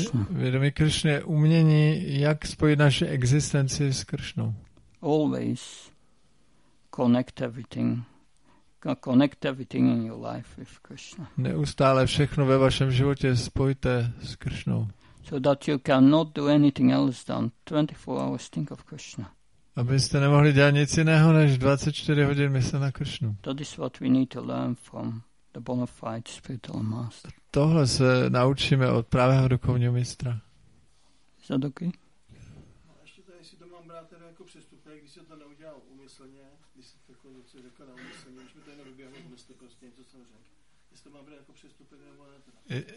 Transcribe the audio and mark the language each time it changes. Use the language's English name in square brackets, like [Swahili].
[Czech] Vědomí Krishna je umění, jak spojit naši existenci s Krishnou. [English] Always connect everything in your life with Krishna. [Czech] Neustále všechno ve vašem životě spojte s Krishnou. [English] So that you cannot do anything else than 24 hours think of Krishna. [Czech] Abyste nemohli dělat nic jiného než 24 hodin myslet na Krishnu. [English] That is what we need to learn from the bona fide spiritual master. [Czech] Tohle se naučíme od pravého duchovního mistra. [English] Is that okay? [Czech] A ještě tady si to mám brát teda jako přestupek, když se to neudělal umyslně, když se takové něco řekl na umyslně, když mi to jenom vyběhlo umyslně, prostě něco jsem řekl. Jestli to mám brát jako přestupek nebo ne?